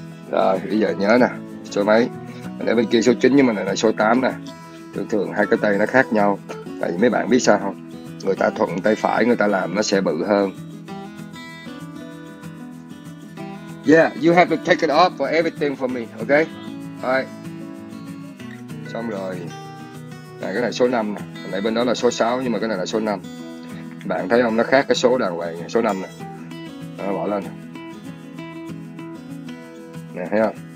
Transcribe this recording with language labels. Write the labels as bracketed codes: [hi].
[vi] Rồi bây giờ nhớ nè, số mấy để bên kia số 9 nhưng mà này là số 8 nè. Thường thường hai cái tay nó khác nhau, tại vì mấy bạn biết sao không, người ta thuận tay phải người ta làm nó sẽ bự hơn. [en] Yeah, you have to take it off for everything for me, okay? [vi] Alright. Xong rồi. Này, cái này số 5 nè. Này bên đó là số 6 nhưng mà cái này là số 5. Bạn thấy không, nó khác cái số đàng hoàng, số 5 nè. Nó bỏ lên nè. Nè, thấy không?